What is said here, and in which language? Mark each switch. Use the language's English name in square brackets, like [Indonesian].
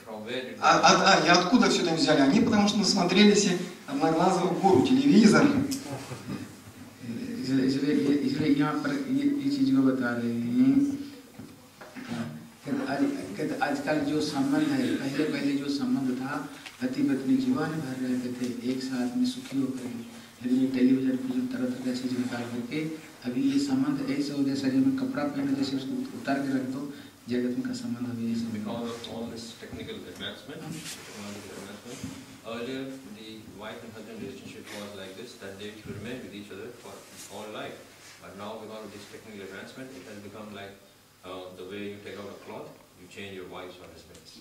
[Russian] И откуда все это взяли? Они потому что насмотрелись одноглазого гуру, телевизор. Если я про эти дела говорю, [Hindi] आजकल जो संबंध है, पहले पहले जो संबंध था, पति पत्नी जीवन भर रहते थे एक साथ में सुखी होकर, लेकिन ये टेलीविजन पर जो तरह तरह चीज निकाल करके अभी ये संबंध ऐसे हो गया, शरीर में कपड़ा पहने जैसे उसको उतार के रख दो, जगत का संबंध अभी ऐसे [English] Earlier, the wife and husband relationship was like this, that they should remain with each other for all life. But now, because of this technical advancement, it has become like the way you take out a cloth, you change your wife's or husband's.